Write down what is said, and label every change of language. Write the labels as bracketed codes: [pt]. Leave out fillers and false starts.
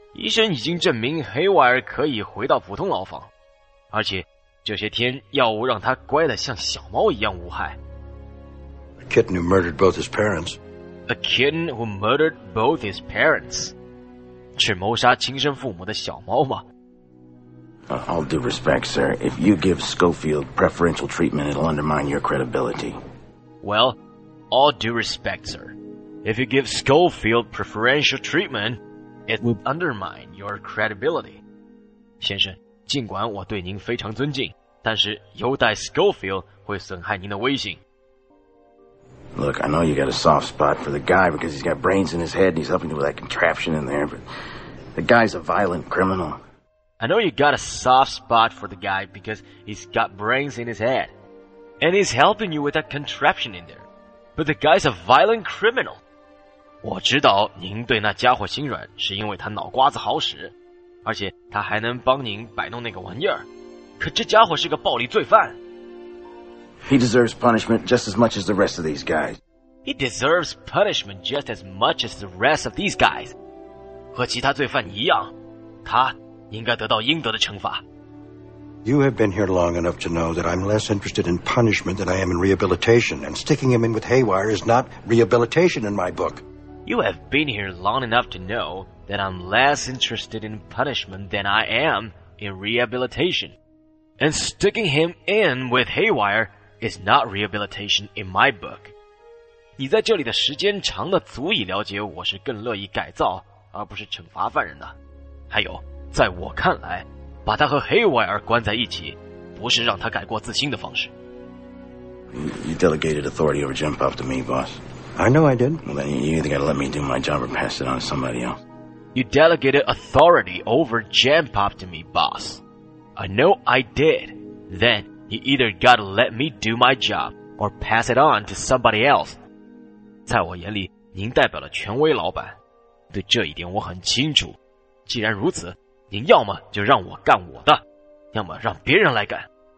[zh] 医生已经证明黑瓦尔可以回到普通牢房，而且这些天药物让他乖得像小猫一样无害。 [en] A kitten who murdered both his parents. A kitten who murdered both his parents. [zh] 是谋杀亲生父母的小猫吗？ [en] All due respect, sir. If you give Schofield preferential treatment, it'll undermine your credibility. Well, all due respect, sir. If you give Schofield preferential treatment,It would undermine your credibility. [zh] 先生，尽管我对您非常尊敬，但是优待 Schofield 会损害您的威信。 [en] Look, I know you got a soft spot for the guy because he's got brains in his head and he's helping you with that contraption in there, but the guy's a violent criminal. I know you got a soft spot for the guy because he's got brains in his head and he's helping you with that contraption in there, but the guy's a violent criminal. [zh] 我知道您对那家伙心软是因为他脑瓜子好使，而且他还能帮您摆弄那个玩意儿，可这家伙是个暴力罪犯。 [en] He deserves punishment just as much as the rest of these guys. He deserves punishment just as much as the rest of these guys. [zh] 和其他罪犯一样，他应该得到应得的惩罚。 [en] You have been here long enough to know that I'm less interested in punishment than I am in rehabilitation, and sticking him in with Haywire is not rehabilitation in my book. You have been here long enough to know that I'm less interested in punishment than I am in rehabilitation. And sticking him in with Haywire is not rehabilitation in my book. [zh] 你在这里的时间长得足以了解我是更乐意改造而不是惩罚犯人的。还有，在我看来，把他和 Haywire 关在一起不是让他改过自新的方式。 [en] You delegated authority over Jim Puff to me, boss. I know I did. Well, then you either got to let me do my job or pass it on to somebody else. You delegated authority over Jam Pop to me, boss. I know I did. Then you either got to let me do my job or pass it on to somebody else. [zh] 在我眼里，您代表了权威老板。对这一点我很清楚。既然如此，您要么就让我干我的，要么让别人来干。